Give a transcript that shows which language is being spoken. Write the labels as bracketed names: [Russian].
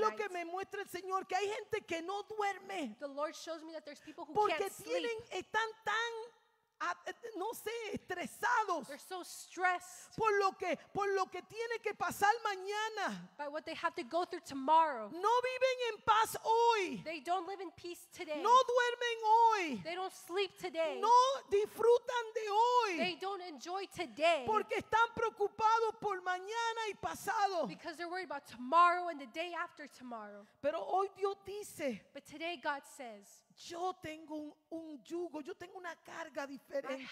[Spanish] Es lo que me muestra el Señor, que hay gente que no duerme. [English] The Lord shows me that there's people who [Spanish] porque [English] can't [Spanish] tienen, [English] sleep. [Spanish] Están tan no sé, estresados. [English] They're so stressed. [Spanish] Por lo que tiene que pasar mañana. [English] By what they have to go through tomorrow. [Spanish] No viven en paz hoy. [English] They don't live in peace today. [Spanish] No duermen hoy. [English] They don't sleep today. [Spanish] No disfrutan de hoy. [English] They don't enjoy today. [Spanish] Porque están preocupados por mañana y pasado. [English] Because they're worried about tomorrow and the day after tomorrow. [Spanish] Pero hoy Dios dice. [English] But today God says. [Spanish] Yo tengo un yugo, yo tengo una carga diferente.